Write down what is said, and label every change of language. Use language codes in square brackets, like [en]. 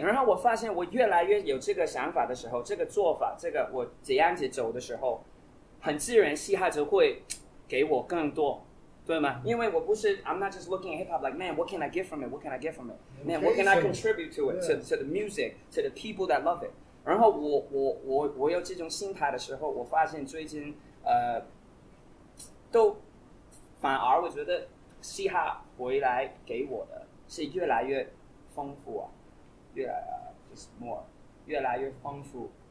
[zh] 对，然后我发现我越来越有这个想法的时候，这个做法，这个我这样子走的时候，很自然嘻哈就会给我更多，对吗？因为我不是 [en] I'm not just looking at hip hop like man what can I get from it what can I get from it man what can I contribute to it to the music to the people that love it。 [zh] 然后我有这种心态的时候，我发现最近都反而我觉得嘻哈回来给我的是越来越丰富啊，越来 [en] just more， [zh] 越来越丰富。